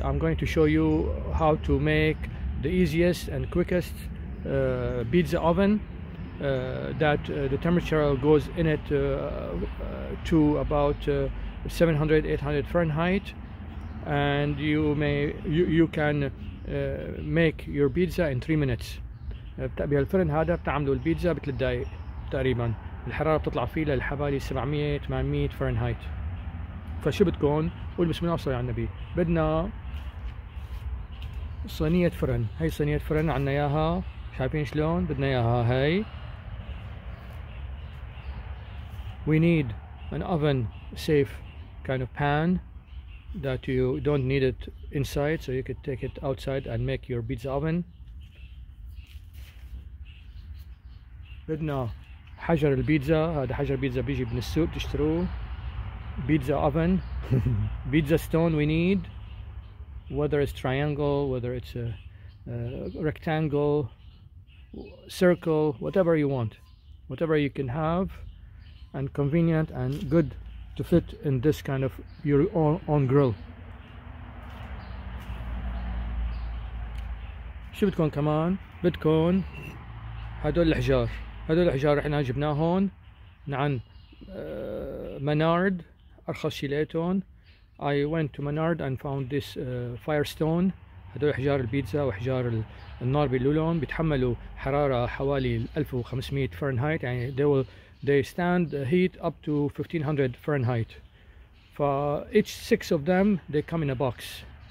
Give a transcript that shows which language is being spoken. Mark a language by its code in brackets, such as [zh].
[en] I'm going to show you how to make the easiest and quickest pizza oven. That the temperature goes in it to about 700-800 Fahrenheit, and you can make your pizza in 3 minutes. [ar] بهالفرن هذا بتعملوا البيتزا بثلاث دقائق تقريبا. الحرارة بتطلع فيه لحوالي 700-800 فرنهايت. فشو بتكون؟ قول بسم الله وصلي على النبي. بدنا صينية فرن. هاي صينية فرن عنا اياها، شايفين شلون بدنا اياها هاي. [en] We need an oven safe kind of pan that you don't need it inside, so you could take it outside and make your pizza oven. [ar] بدنا حجر البيتزا. هذا حجر بيتزا بيجي من السوق تشتروه. [en] Pizza oven. Pizza stone we need. Whether it's triangle, whether it's a rectangle, circle, whatever you want. Whatever you can have. And convenient and good to fit in this kind of your own grill. [ar] شو بدكم كمان؟ بدكم هدول الحجار. هدول الحجار احنا جبناه هون عن منارد، ارخص شي لقيتهم. [en] I went to Menard and found this firestone. [ar] هدول حجار البيتزا وحجار النار باللولون بيتحملوا حرارة حوالي 1500 فرنهايت، يعني [en] they stand heat up to 1500 [ar] فرنهايت. [en] ف each six of them they come in a box.